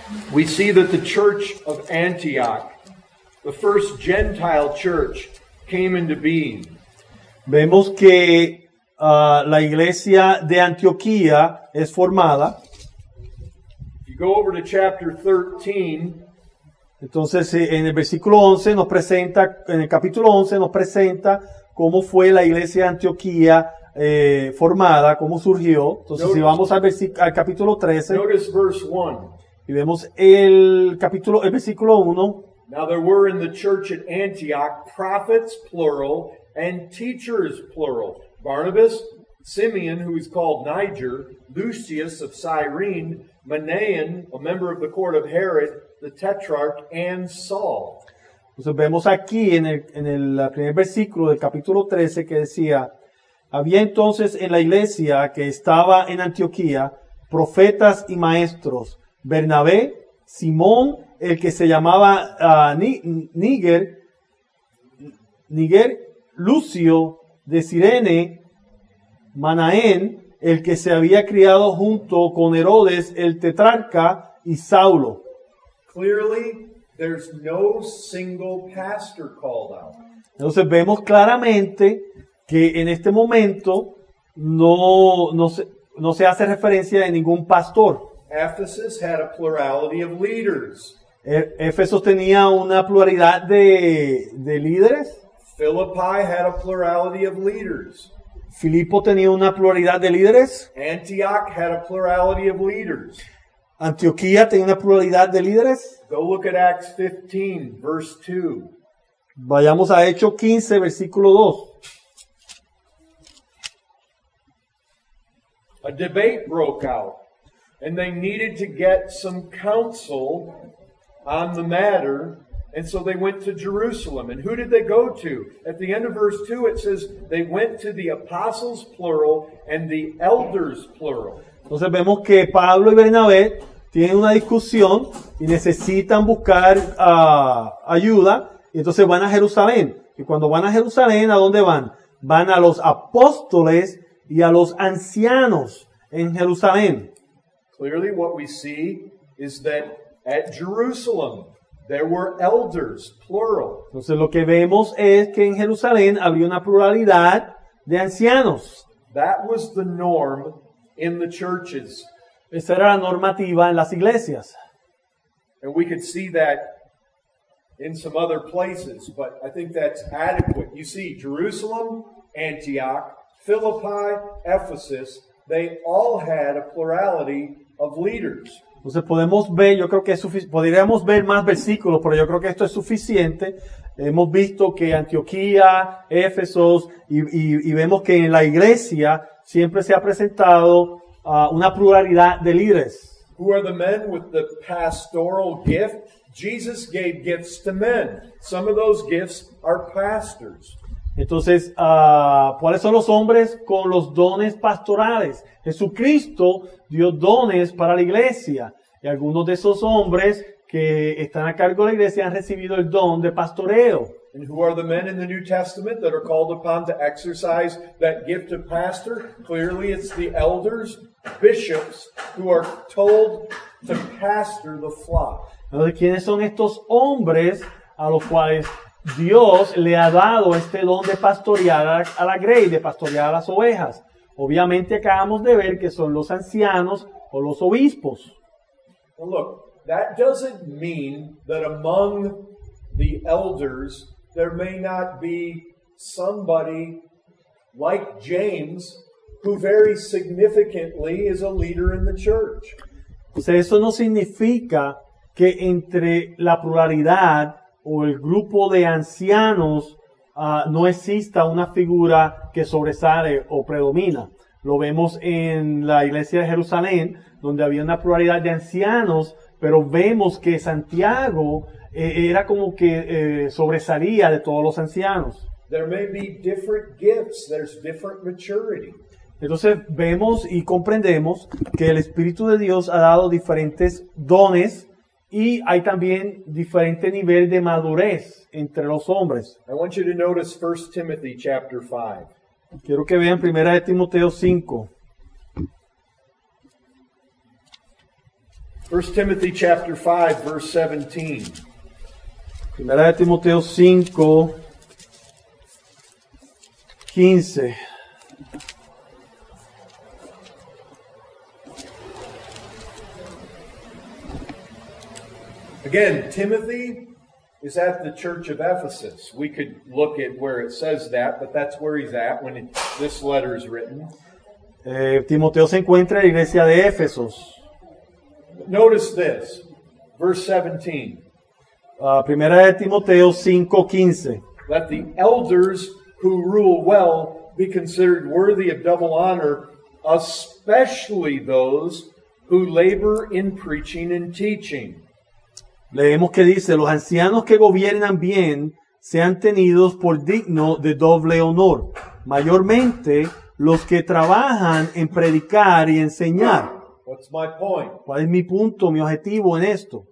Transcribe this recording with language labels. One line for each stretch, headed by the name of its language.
English: We see that the church of Antioch, the first Gentile church, came into being.
Spanish: Vemos que la iglesia de Antioquía es formada.
English: If you go over to chapter 13,
Spanish: entonces en el versículo 11 nos presenta, en el capítulo 11 nos presenta cómo fue la iglesia de Antioquía formada, cómo surgió. Entonces
English: notice,
Spanish: si vamos al capítulo 13,
English: notice verse 1.
Spanish: Y vemos el capítulo, el versículo 1.
English: Now there were in the church at Antioch prophets, plural, and teachers, plural. Barnabas, Simeon, who is called Niger, Lucius of Cyrene, Manaen, a member of the court of Herod, the Tetrarch, and Saul.
Spanish: Entonces vemos aquí en el primer versículo del capítulo 13 que decía, había entonces en la iglesia que estaba en Antioquía profetas y maestros, Bernabé, Simón, el que se llamaba Níger, Lucio de Cirene, Manaén, el que se había criado junto con Herodes el tetrarca, y Saulo.
English: Clearly, there's no single pastor called out.
Spanish: Entonces vemos claramente que en este momento no se hace referencia de ningún pastor.
English: Ephesus had a plurality of leaders.
Spanish: Éfesos tenía una pluralidad de líderes.
English: Philippi had a plurality of leaders.
Spanish: Filipo tenía una pluralidad de líderes.
English: Antioch had a plurality of leaders.
Spanish: Antioquía tenía una pluralidad de líderes.
English: Go look at Acts 15, verse 2.
Spanish: Vayamos a Hechos 15, versículo 2.
English: A debate broke out. And they needed to get some counsel on the matter, and so they went to Jerusalem. And who did they go to? At the end of verse 2, it says, they went to the apostles, plural, and the elders, plural.
Spanish: Entonces vemos que Pablo y Bernabé tienen una discusión y necesitan buscar ayuda, y entonces van a Jerusalén. Y cuando van a Jerusalén, ¿a dónde van? Van a los apóstoles y a los ancianos en Jerusalén.
English: Clearly, what we see is that at Jerusalem there were elders, plural.
Spanish: Entonces, lo que vemos es que en Jerusalén había una pluralidad de ancianos.
English: That was the norm in the churches.
Spanish: Esa era la normativa en las iglesias.
English: And we could see that in some other places, but I think that's adequate. You see, Jerusalem, Antioch, Philippi, Ephesus, they all had a plurality of leaders.
Spanish: Entonces podemos ver, yo creo que es podríamos ver más versículos, pero yo creo que esto es suficiente. Hemos visto que Antioquía, Éfesos, y vemos que en la iglesia siempre se ha presentado una pluralidad de líderes.
English: Who are the men with the pastoral gift? Jesus gave gifts to men. Some of those gifts are pastors.
Spanish: Entonces, ¿cuáles son los hombres con los dones pastorales? Jesucristo dio dones para la iglesia. Y algunos de esos hombres que están a cargo de la iglesia han recibido el don de pastoreo.
English: And who are the men in the New Testament that are called upon to exercise that gift of pastor? Clearly, it's the elders, bishops, who are told to pastor the flock.
Spanish: Entonces, ¿quiénes son estos hombres a los cuales Dios le ha dado este don de pastorear a la grey, de pastorear a las ovejas? Obviamente acabamos de ver que son los ancianos o los obispos.
English: Well, look, that doesn't mean that among the elders there may not be somebody like James who very significantly is a leader in the church.
Spanish: O sea, eso no significa que entre la pluralidad o el grupo de ancianos no exista una figura que sobresale o predomina. Lo vemos en la iglesia de Jerusalén, donde había una pluralidad de ancianos, pero vemos que Santiago era como que sobresalía de todos los ancianos.
English: There may be different gifts. There's different maturity.
Spanish: Entonces vemos y comprendemos que el Espíritu de Dios ha dado diferentes dones y hay también diferente nivel de madurez entre los hombres.
English: I want you to notice 1 Timothy chapter 5.
Spanish: Quiero que vean 1 Timoteo 5.
English: 1 Timothy chapter 5, verse 17.
Spanish: 1 Timoteo 5, 15.
English: Again, Timothy is at the church of Ephesus. We could look at where it says that, but that's where he's at when this letter is written.
Spanish: Timoteo se encuentra en la iglesia de Éfesos.
English: Notice this, verse 17.
Spanish: Primera de Timoteo 5:15.
English: Let the elders who rule well be considered worthy of double honor, especially those who labor in preaching and teaching.
Spanish: Leemos que dice, los ancianos que gobiernan bien sean tenidos por digno de doble honor, mayormente los que trabajan en predicar y enseñar.
English: What's my point?
Spanish: ¿Cuál es mi punto, mi objetivo en esto?